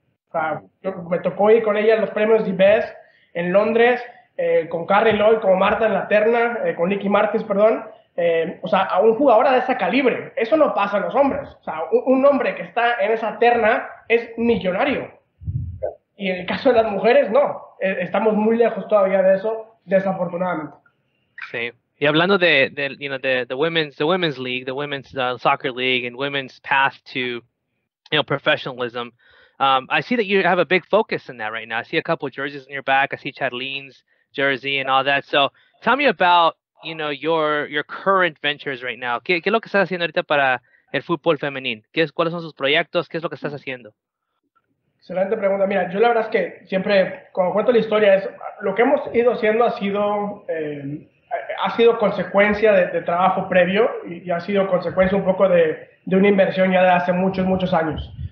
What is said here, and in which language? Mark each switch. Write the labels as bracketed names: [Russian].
[Spanish] O sea, yo me tocó ir con ella a los premios IBES en Londres, con Carrie Lloyd, como Marta en la terna, con Nicky Martins, perdón. O sea, a un jugador de ese calibre. Eso no pasa en los hombres. O sea, un hombre que está en esa terna es millonario. Y en el caso de las mujeres, no. Estamos muy lejos todavía de eso, desafortunadamente. Sí. [English] Y hablando de women's league, the women's soccer league, and women's path to, you know, professionalism, I see that you have a big focus in that right now. I see a couple of jerseys on your back. I see Charlyn's jersey and all that. So tell me about, you know, your current ventures right now. [Spanish] ¿Qué es lo que estás haciendo ahorita para el fútbol femenil? ¿Cuáles son sus proyectos? ¿Qué es lo que estás haciendo? Excelente pregunta. Mira, yo la verdad es que siempre, cuando cuento la historia, es lo que hemos ido haciendo ha sido consecuencia de trabajo previo y ha sido consecuencia un poco de una inversión ya de hace muchos, muchos años.